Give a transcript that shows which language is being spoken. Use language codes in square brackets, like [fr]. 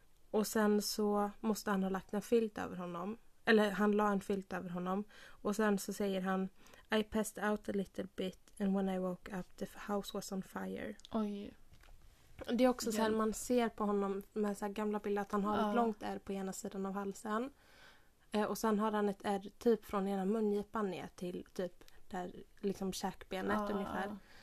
[sv] Och sen så måste han ha lagt en filt över honom. Eller han la en filt över honom. Och sen så säger han: [en] "I passed out a little bit, and when I woke up, the house was on fire." [sv] Oj. Det är också så här, man ser på honom med så här gamla bilder att han har ett långt R på ena sidan av halsen. Och sen har han ett R typ från ena mungipan ner till typ där liksom käkbenet ungefär.